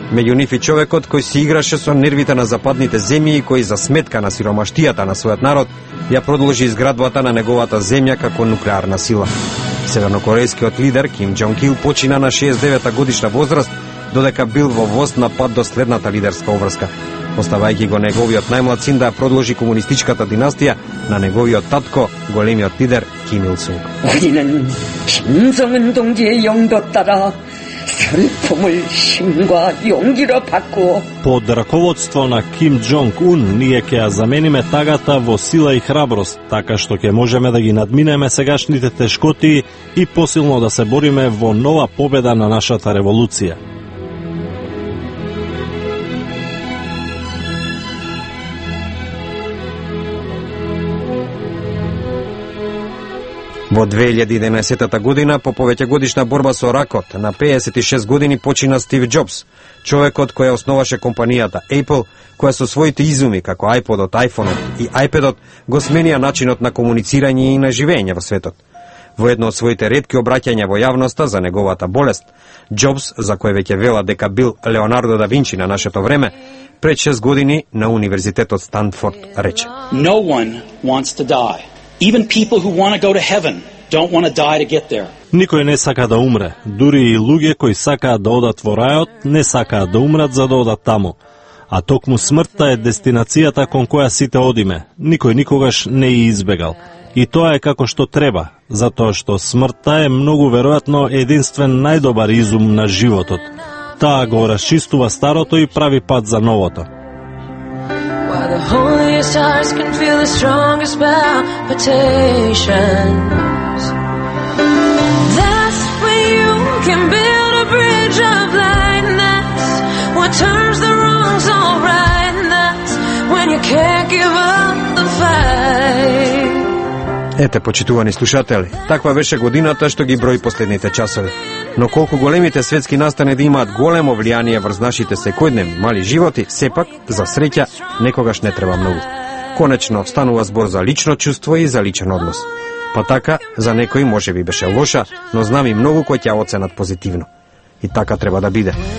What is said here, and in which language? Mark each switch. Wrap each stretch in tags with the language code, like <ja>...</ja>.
<mk>Меѓу нив и човекот кој си играше со нервите на западните земји и кој за сметка на сиромаштијата на својот народ ја продолжи изградбата на неговата земја како нуклеарна сила. Севернокорејскиот лидер Ким Џонг Ил почина на 69 годишна возраст, додека бил во вост на пат до следната лидерска обврска. Оставајќи го неговиот најмлад син да продолжи комунистичката династија на неговиот татко, големиот лидер Ким Ил Сунг. Ние Шинсонгундонгје јонгдотара слпомул шинга јонгиро пако. Под раководство на Ким Џонг Ун ние ќе ја замениме тагата во сила и храброст, така што ќе можеме да ги надминеме сегашните тешкоти и посилно да се бориме во нова победа на нашата револуција. Во 2011 година, по повеќегодишна борба со ракот, на 56 години почина Стив Джобс, човекот кој основаше компанијата Apple, која со своите изуми, како iPod-от, iPhone-от и iPad-от, го сменија начинот на комуницирање и на живење во светот. Во едно од своите ретки обраќања во јавноста за неговата болест, Джобс, за кој веќе велат дека бил Леонардо да Винчи на нашето време, пред 6 години на Универзитетот Станфорд рече:</mk> <en>No one wants to die. Even people who want to go to heaven don't want to die to get there.</en> <mk>Никој не сака да умре. Дури и луѓе кои сакаат да одат во рајот, не сакаат да умрат за да одат таму. А токму смртта е дестинацијата кон која сите одиме. Никој никогаш не ја избегал. И тоа е како што треба, затоа што смртта е многу веројатно единствен најдобар изум на животот. Таа го расчистува старото и прави пат за новото.</mk> <en>The holiest hearts can feel the strongest palpitations. That's where you can build a bridge of light. That's what turns the wrongs all right. That's when you can't give up the fight.</en> <mk>Ете, почитувани слушатели, таква беше годината што ги број последните часови. Но колку големите светски настани да имаат големо влијание врз нашите секојдневни мали животи, сепак, за среќа, некогаш не треба многу. Конечно, станува збор за лично чувство и за личен однос. Па така, за некои може би беше лоша, но знам и многу кои ќе ја оценат позитивно. И така треба да биде.</mk>